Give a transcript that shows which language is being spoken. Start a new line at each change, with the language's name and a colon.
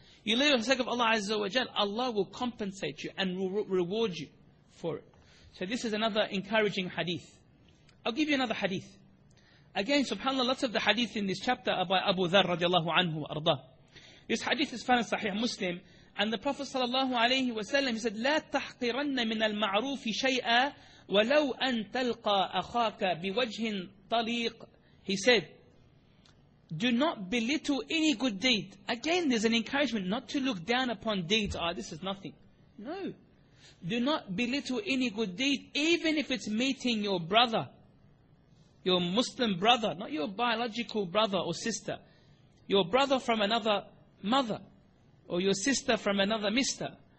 English: You live for the sake of Allah Azza wa Jal, Allah will compensate you and will reward you for it. So this is another encouraging hadith. I'll give you another hadith. Again, subhanAllah, lots of the hadith in this chapter are by Abu Dharr radiallahu anhu wa arda. This hadith is found in Sahih Muslim. And the Prophet sallallahu alayhi wa sallam, he said,
Arabic: لَا تَحْقِرَنَّ مِنَ الْمَعْرُوفِ شَيْئًا وَلَوْ أَن تَلْقَى أَخَاكَ بِوَجْهٍ طَلِيقٍ.
English: He said, do not belittle any good deed. Again, there's an encouragement not to look down upon deeds. Ah, this is nothing. No. Do not belittle any good deed, even if it's meeting your brother, your Muslim brother, not your biological brother or sister, your brother from another mother, or your sister from another mister.